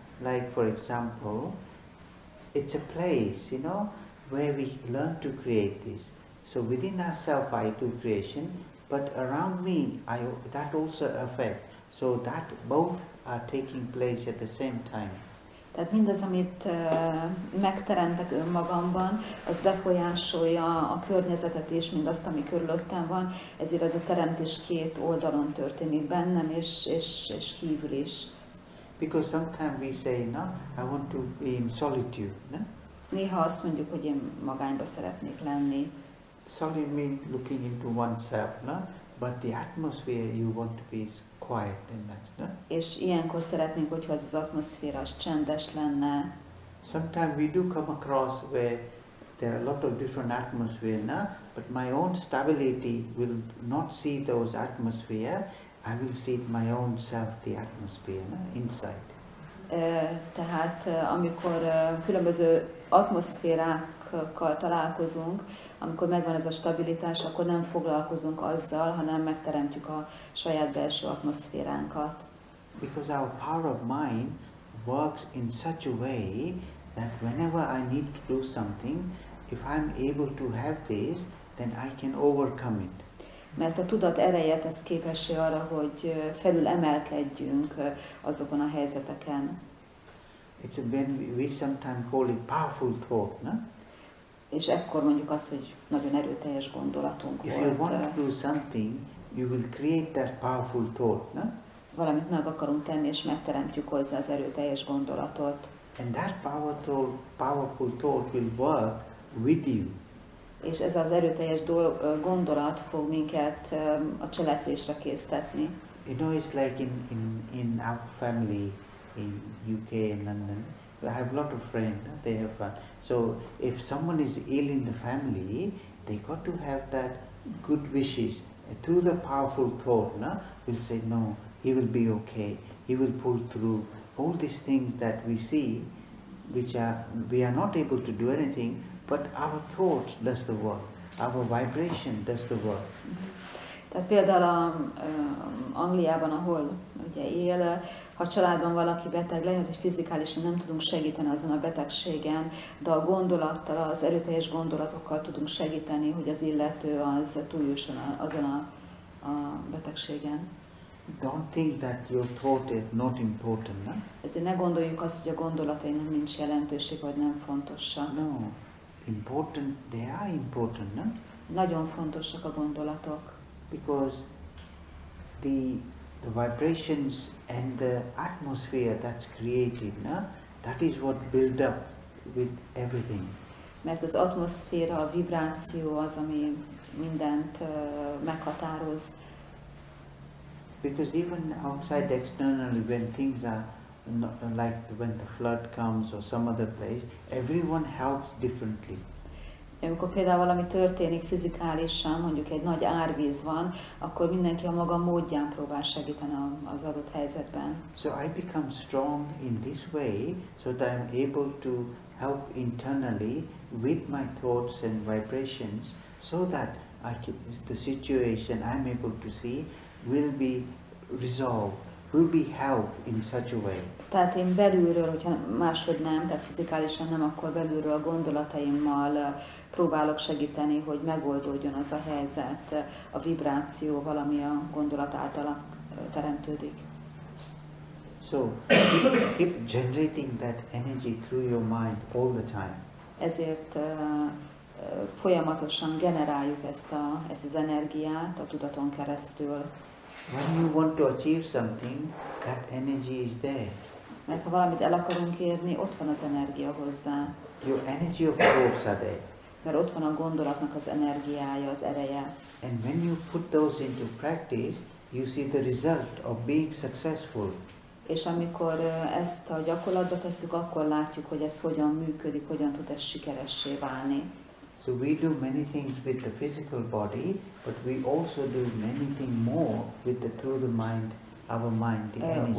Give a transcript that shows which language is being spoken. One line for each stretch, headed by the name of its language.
English: Like for example, it's a place, you know, where we learn to create this. So within ourselves I do creation, but around me that also affects. So that both are taking place at the same time.
Hungarian: Tehát mindaz, amit megteremtek önmagamban, az befolyásolja a környezetet is, mindazt, ami körülöttem van. Ezért ez a teremtés két oldalon történik bennem és kívül is.
English: Because sometimes we say, no, I want to be in solitude, no?
Hungarian: Néha azt mondjuk, hogy én magányba szeretnék lenni.
English: Solid means looking into oneself, no? But the atmosphere you want to be is quiet and nice, no?
Hungarian: És ilyenkor szeretnénk, hogyha az atmoszféra csendes lenne.
English: Sometimes we do come across where there are a lot of different atmosphere, no? But my own stability will not see those atmosphere I will see my own self, the atmosphere, inside.
Hungarian: Tehát amikor különböző atmoszférákkal találkozunk, amikor megvan ez a stabilitás, akkor nem foglalkozunk azzal, hanem megteremtjük a saját belső atmoszféránkat.
English: Because our power of mind works in such a way that whenever I need to do something, if I'm able to have this, then I can overcome it.
Hungarian: Mert a tudat ereje tesz képessé arra, hogy felül emelkedjünk azokon a helyzeteken.
English: It's when we sometimes call it powerful thought, no?
Hungarian: És ekkor mondjuk azt, hogy nagyon erőteljes gondolatunk
English: If
Hungarian: volt.
English: If you want to do something, you will create that powerful thought, no?
Hungarian: Valamit meg akarunk tenni, és megteremtjük hozzá az erőteljes gondolatot.
English: And that powerful thought will work with you.
Hungarian: És ez az erőteljes gondolat fog minket a cselekvésre késztetni.
English: You know, it's like in our family in UK and London. I have a lot of friends, they have fun. So if someone is ill in the family, they got to have that good wishes. Through the powerful thought, no? We'll say, no, he will be okay. He will pull through. All these things that we see, which are we are not able to do anything, but our thought does the work, our vibration does the work.
Hungarian: Tehát például Angliában, ahol ugye él, ha családban valaki beteg, lehet, hogy fizikálisan nem tudunk segíteni azon a betegségen, de a gondolattal, az erőteljes gondolatokkal tudunk segíteni, hogy az illető az túljusson azon a betegségen.
English: Don't think that your thought is not important. No?
Hungarian: Ezért ne gondoljuk azt, hogy a gondolataink nincs jelentőség, vagy nem fontosak.
English: No. Important, they are important, no?
Hungarian: Nagyon fontosak a gondolatok.
English: Because the vibrations and the atmosphere that's created, no? That is what build up with everything.
Hungarian: Mert az atmoszféra, a vibráció az, ami mindent meghatároz.
English: Because even outside externally, when things are not, like when the flood comes or some other place, everyone helps differently.
Hungarian: Amikor például valami történik fizikálisan, mondjuk egy nagy árvíz van, akkor mindenki a maga módján próbál segíteni az adott helyzetben.
English: So I become strong in this way, so that I'm able to help internally with my thoughts and vibrations, so that I can, the situation I'm able to see will be resolved. Will be helped in such a way.
Hungarian: Tehát én belülről, hogyha máshogy nem, tehát fizikálisan nem, akkor belülről a gondolataimmal próbálok segíteni, hogy megoldódjon az a helyzet, a vibráció valami a gondolat által teremtődik.
English: So, keep generating that energy through your mind all the time.
Hungarian: Ezért folyamatosan generáljuk ezt az energiát a tudaton keresztül.
English: When you want to achieve something, that energy is there.
Hungarian: Mert ha valamit el akarunk érni, ott van az energia hozzá.
English: Your energy of thoughts are there.
Hungarian: Mert ott van a gondolatnak az energiája, az ereje.
English: And when you put those into practice, you see the result of being successful.
Hungarian: És amikor ezt a gyakorlatba tesszük, akkor látjuk, hogy ez hogyan működik, hogyan tud ez sikeressé válni.
English: So we do many things with the physical body, but we also do many things more with the through the mind, our mind, the energy.